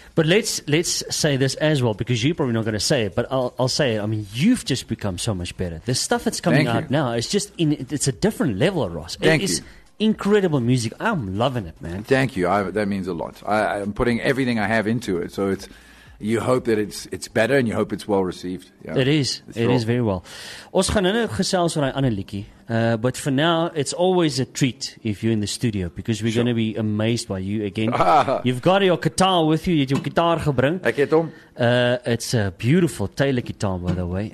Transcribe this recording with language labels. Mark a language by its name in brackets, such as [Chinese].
[English] But let's say this as well, because you're probably not going to say it, but I'll say it. I mean, you've just become so much better. The stuff that's coming out now, it's just it's a different level, Ross. Incredible music. I'm loving it, man. Thank you. That means a lot. I'm putting everything I have into it. So you hope that it's better and you hope it's well received. Yeah. It is. It is very well. [Afrikaans] Ons gaan nou gesels oor 'n ander liedjie. [English] But for now, it's always a treat if you're in the studio because we're going to be amazed by you again. You've got your guitar with you. Your guitar gebring. [Afrikaans] Ek het hom. [English] It's a beautiful Taylor guitar, by the way.